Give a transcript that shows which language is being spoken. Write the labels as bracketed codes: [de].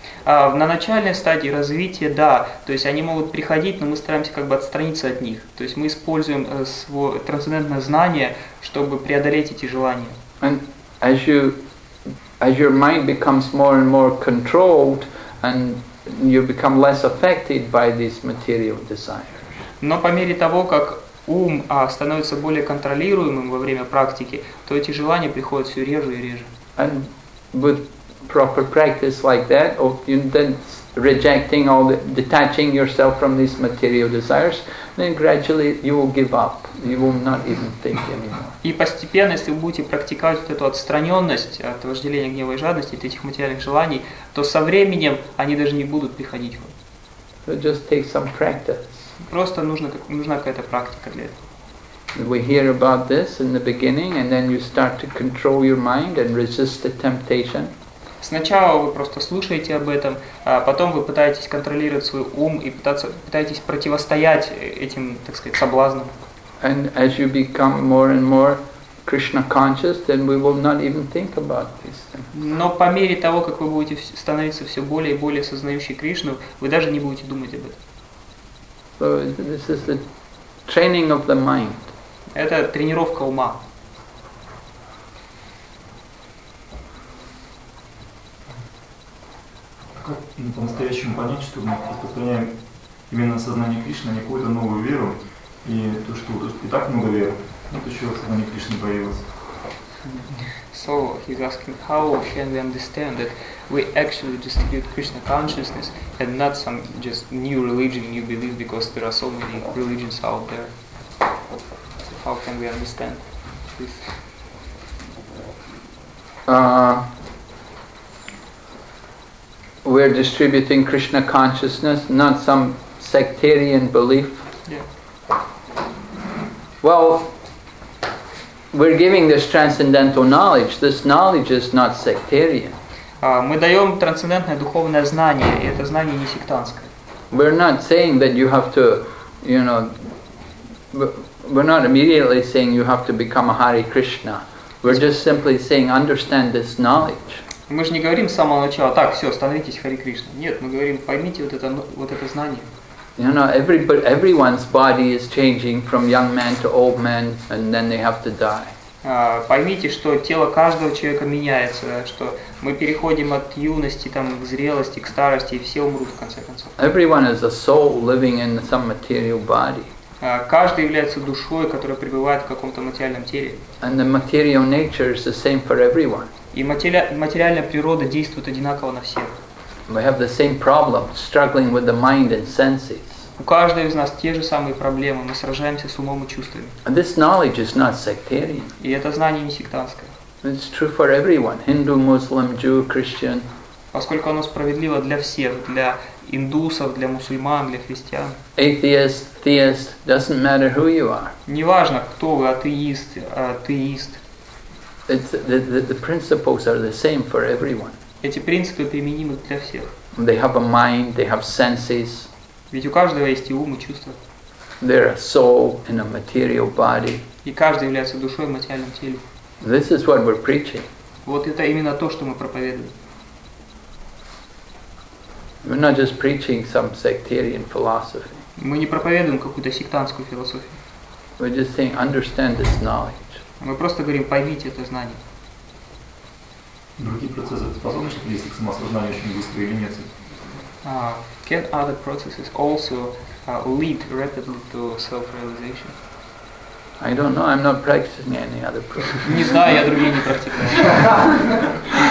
[ru] На начальной стадии развития, да, то есть они могут приходить, но мы стараемся как бы отстраниться от них. То есть мы используем свое трансцендентное знание, чтобы преодолеть эти желания. [en] And as your mind becomes more and more controlled, and you become less affected by these material desires. [ru] Но по мере того, как ум становится более контролируемым во время практики, то эти желания приходят все реже и реже. [en] And with proper practice like that, of you then rejecting all the, detaching yourself from these material desires, then gradually you will give up. You will not even think anymore. [ru] И постепенно, если вы будете практиковать вот эту отстраненность от вожделения, гнева и жадности, от этих материальных желаний, то со временем они даже не будут приходить к вам. [en] So just take some practice. [ru] Просто нужна какая-то практика для этого. [en] We hear about this in the beginning, and then you start to control your mind and resist the temptation. [ru] Сначала вы просто слушаете об этом, а потом вы пытаетесь контролировать свой ум и пытаетесь противостоять этим, так сказать, соблазнам. [en] And as you become more and more Krishna conscious, then we will not even think about these things. [ru] Но по мере того, как вы будете становиться все более и более сознающей Кришну, вы даже не будете думать об этом. [en] So this is the training of the mind. [ru] Это тренировка ума. Как по-настоящему понять, что мы распространяем именно сознание Кришны, а не какую-то новую веру, и то, что и так много веры, вот еще сознание Кришны появилось. [en] So he's asking, how can we understand that we actually distribute Krishna consciousness and not some just new religion, new belief, because there are so many religions out there. How can we understand this? We're distributing Krishna consciousness, not some sectarian belief. Yeah. Well, we're giving this transcendental knowledge. This knowledge is not sectarian. [ru] Мы даем трансцендентное духовное знание, и это знание не сектантское. [en] We're not saying that you have to, you know, we're not immediately saying you have to become a Hare Krishna. We're just simply saying understand this knowledge. [ru] Мы же не говорим с самого начала, так, все, становитесь Хари Кришна. Нет, мы говорим, поймите вот это знание. [en] You know, everyone's body is changing from young man to old man, and then they have to die. [ru] Поймите, что тело каждого человека меняется, что мы переходим от юности там к зрелости, к старости, и все умрут в конце концов. [en] Everyone is a soul living in some material body. [ru] Каждый является душой, которая пребывает в каком-то материальном теле. [en] And the material nature is the same for everyone. [ru] И материальная природа действует одинаково на всех. [en] We have the same problem, struggling with the mind and senses. [ru] У каждого из нас те же самые проблемы, мы сражаемся с умом и чувствами. [en] And this knowledge is not sectarian. [ru] И это знание не сектантское. [en] It's true for everyone, Hindu, Muslim, Jew, Christian. [ru] Поскольку оно справедливо для всех, для индусов, для мусульман, для христиан. [en] Atheist, theist, doesn't matter who you are. [ru] Неважно, кто вы, атеист, атеист. [en] It's the principles are the same for everyone. [ru] Эти принципы применимы для всех. [en] They have a mind, they have senses. [ru] Ведь у каждого есть и ум, и чувства. [en] They're a soul in a material body. [ru] И каждый является душой в материальном теле. [en] This is what we're preaching. [ru] Вот это именно то, что мы проповедуем. [en] We're not just preaching some sectarian philosophy. [ru] Мы не проповедуем какую-то сектантскую философию. [en] We're just saying, understand this knowledge. Мы просто говорим, поймите это знание. [ru] Другие процессы способны привести к самосознанию очень быстро или нет? [en] Can other processes also lead rapidly to self-realization? I don't know, I'm not practicing any other process. [ru] Не знаю, я другие не практикую.